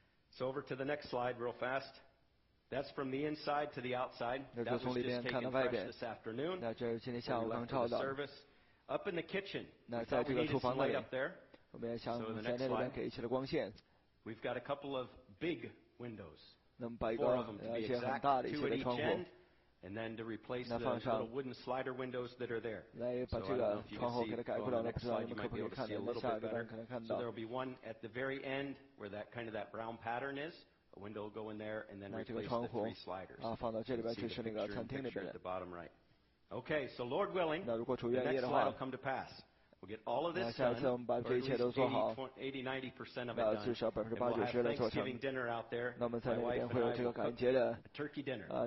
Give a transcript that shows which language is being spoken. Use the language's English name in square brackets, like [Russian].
[English] So over to the next slide, real fast. That's from the inside to the outside. That was just taken fresh this afternoon. [Chinese] 那这是今天下午刚照的。 [English] Up in the kitchen. [Chinese] 那在这个厨房里。我们也想在那里面给一些的光线。 [English] We've got a couple of big windows. [Chinese] 那么把一个一些很大的一些的窗户， [English] and then to replace the little wooden slider windows that are there. [Chinese] 来把这个窗户给它改过来，不知道你们可不可以看到？下一个可能看到。 [English] So there'll be one at the very end where that kind of that brown pattern is, window will go in there and then replace the three sliders. [Chinese] 放到这里边就是那个餐厅里边。 [English] See the picture at the bottom right. Okay, so Lord willing, [Chinese] 那如果主愿意的话 [English] the next slide will come to pass. We'll get all of this done. [Chinese] 那下一次我们把这一切都做好。 [English] 80-90% of it done. [Chinese] 至少80-90%的做成。那我们在那边会有这个感觉的。 [English] Turkey dinner.